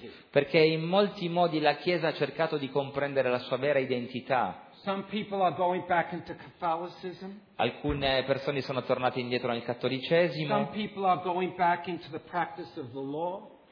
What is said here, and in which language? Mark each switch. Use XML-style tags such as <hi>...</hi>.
<it>Perché in molti modi la Chiesa ha cercato di comprendere la sua vera identità.</it> <en>Some people are going back into Catholicism.</en> <it>Alcune persone sono tornate indietro nel cattolicesimo.</it> <en>Some people are going back into the practice of the law.</en>